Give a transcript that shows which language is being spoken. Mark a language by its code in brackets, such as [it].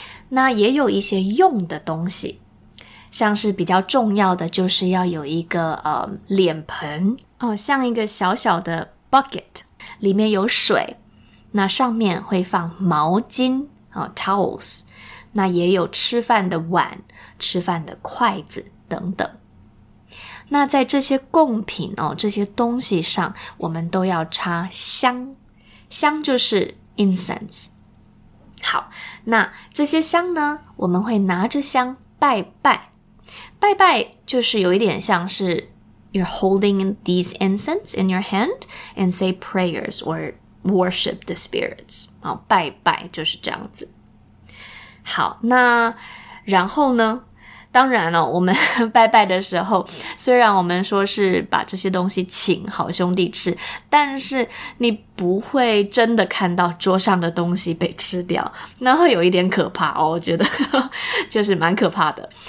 [zh] 那也有一些用的东西，像是比较重要的就是要有一个脸盆，像一个小小的 bucket， 里面有水，那上面会放毛巾，towels， 那也有吃饭的碗、吃饭的筷子等等。那在这些贡品，这些东西上我们都要插香，香就是 incense。好，那这些香呢，我们会拿着香拜拜。拜拜就是有一点像是 [en] you're holding these incense in your hand and say prayers or worship the spirits , [zh] 拜拜就是这样子。好，那然后呢，当然，我们拜拜的时候，虽然我们说是把这些东西请好兄弟吃，但是你不会真的看到桌上的东西被吃掉，那会有一点可怕，我觉得就是蛮可怕的。